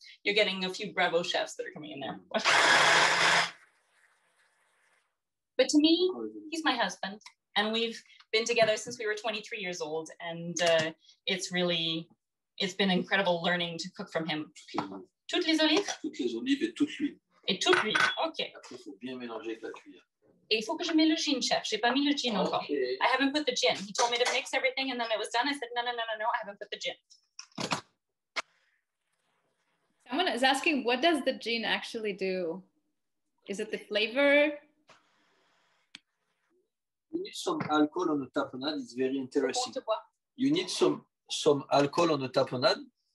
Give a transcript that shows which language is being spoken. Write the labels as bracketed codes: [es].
[en] You're getting a few Bravo chefs that are coming in there. But to me, he's my husband, and we've been together since we were 23 years old, and it's been incredible learning to cook from him. [fr] Toutes les olives? Toutes les olives et toute l'huile. Et toute l'huile, okay. Après, il faut bien mélanger avec la cuillère. Et il faut que je mette le gin, chef. J'ai pas mis le gin encore. Okay. [en] I haven't put the gin. He told me to mix everything and then it was done. I said, no, no, no, no, no, I haven't put the gin. Someone is asking, what does the gin actually do? Is it the flavor? You need some alcohol on the tapenade. It's very interesting. You need some alcohol on the tapenade.